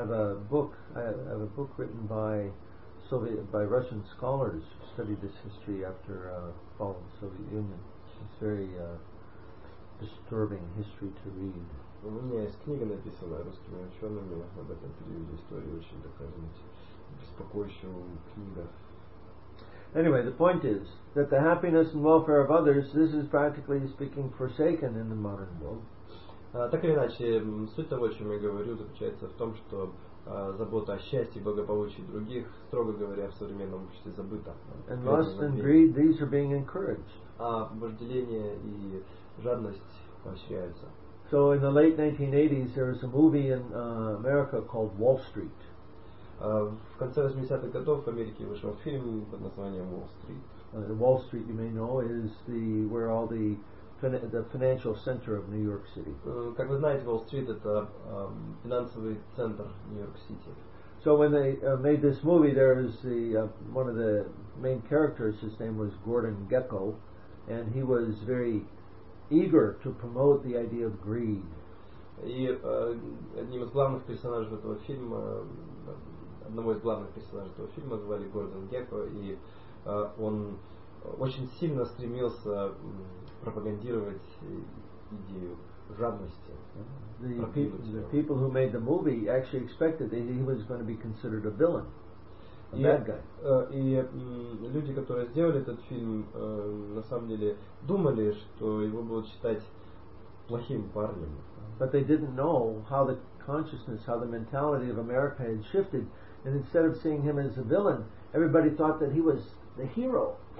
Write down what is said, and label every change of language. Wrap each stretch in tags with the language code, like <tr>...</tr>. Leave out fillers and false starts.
<en>I have a book written by Russian scholars who studied this history after the fall of the Soviet Union. It's a very disturbing history to read.</en> <ru>У меня есть книга, написанная русскими учеными об этом периоде истории, очень такая, знаете, беспокоящая книга.</ru> <en>Anyway, the point is that the happiness and welfare of others, this is practically speaking forsaken in the modern world.</en> <ru>Так или иначе, суть того, о чем я говорю, заключается в том, что забота о счастье и благополучии других, строго говоря, в современном обществе забыта.</ru> <en>And lust and greed, these are being encouraged.</en> <ru>А вожделение и жадность поощряются.</ru> <en>So in the late 1980s, there was a movie in America called Wall Street.</en> <ru>В конце 80-х годов в Америке вышел фильм под названием Wall Street.</ru> <en>Wall Street, you may know, is the where all the financial center of New York City.</en> <ru>Как вы знаете, Wall Street — это финансовый центр Нью-Йорк-Сити.</ru> <en>So when they made this movie, there was the one of the main characters. His name was Gordon Gekko, and he was very eager to promote the idea of greed.</en> <ru>И одним из главных персонажей этого фильма, одного из главных персонажей этого фильма звали Гордон Гекко, и он очень сильно стремился пропагандировать идею жадности.</ru> <en>The people who made the movie actually expected that he was going to be considered a villain, a bad guy.</en> <ru>И люди, которые сделали этот фильм, на самом деле думали, что его будут считать плохим парнем.</ru> <en>But they didn't know how the consciousness, how the mentality of America had shifted, and instead of seeing him as a villain, everybody thought that he was the hero.</en>